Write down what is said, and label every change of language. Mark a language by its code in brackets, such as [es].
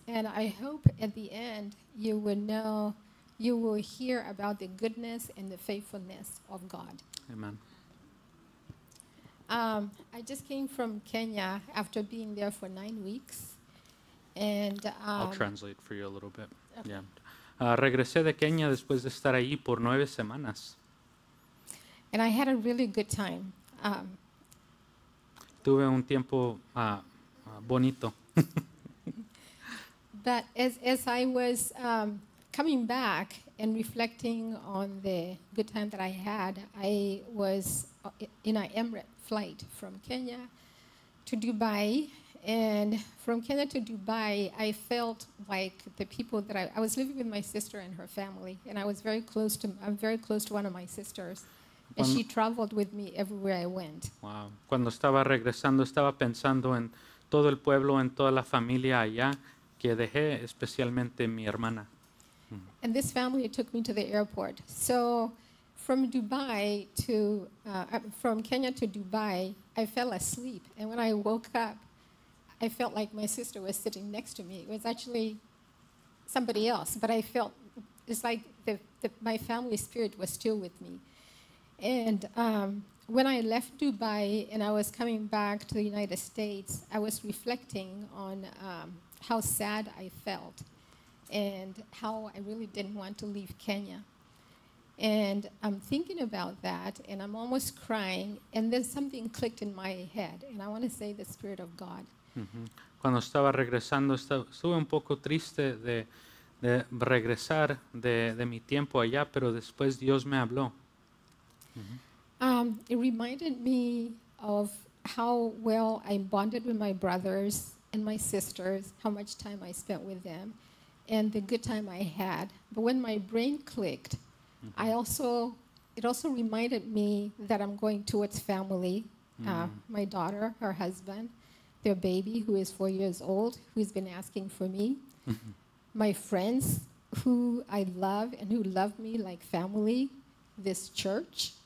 [en] And I hope at the end you will know, you will hear about the goodness and the faithfulness of God. Amen. I just came from Kenya after being there for 9 weeks. And I'll translate for you a little bit. Okay. Yeah. [es] Regresé de Kenia después de estar allí por 9 semanas. [en] And I had a really good time. [es] Tuve un tiempo bonito. [en] But as I was coming back and reflecting on the good time that I had, I was in an Emirate flight from Kenya to Dubai. And from Kenya to Dubai, I felt like the people that I was living with my sister and her family, and I was very close to, I'm very close to one of my sisters, and she traveled with me everywhere I went. Wow. [es] Cuando estaba regresando, estaba pensando en todo el pueblo, en toda la familia allá que dejé, especialmente mi hermana. [en] And this family took me to the airport. So from Dubai to, from Kenya to Dubai, I fell asleep, and when I woke up, I felt like my sister was sitting next to me. It was actually somebody else, but I felt it's like my family spirit was still with me. And when I left Dubai and I was coming back to the United States, I was reflecting on how sad I felt and how I really didn't want to leave Kenya. And I'm thinking about that, and I'm almost crying, and then something clicked in my head, and I want to say the Spirit of God. [es] Cuando estaba regresando, estuve un poco triste de regresar de mi tiempo allá, pero después Dios me habló. [en] It reminded me of how well I bonded with my brothers and my sisters, how much time I spent with them, and the good time I had. But when my brain clicked, it also reminded me that I'm going towards family, my daughter, her husband, their baby, who is 4 years old, who's been asking for me, my friends, who I love and who love me like family, this church.